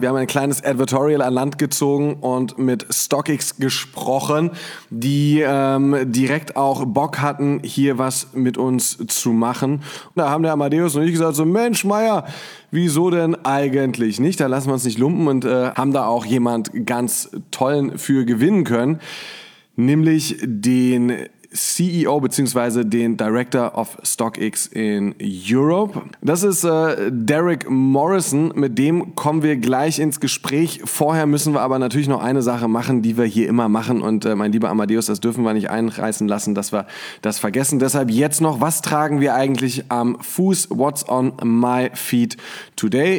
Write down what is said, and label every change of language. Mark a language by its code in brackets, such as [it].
[de] Wir haben ein kleines Advertorial an Land gezogen und mit StockX gesprochen, die direkt auch Bock hatten, hier was mit uns zu machen. Und da haben der Amadeus und ich gesagt, so Mensch, Meier, wieso denn eigentlich nicht? Da lassen wir uns nicht lumpen und haben da auch jemand ganz tollen für gewinnen können, nämlich den CEO bzw. [en] den Director of StockX in Europe. [de] Das ist Derek Morrison, mit dem kommen wir gleich ins Gespräch. Vorher müssen wir aber natürlich noch eine Sache machen, die wir hier immer machen und mein lieber Amadeus, das dürfen wir nicht einreißen lassen, dass wir das vergessen. Deshalb jetzt noch, was tragen wir eigentlich am Fuß? [en] What's on my feet today?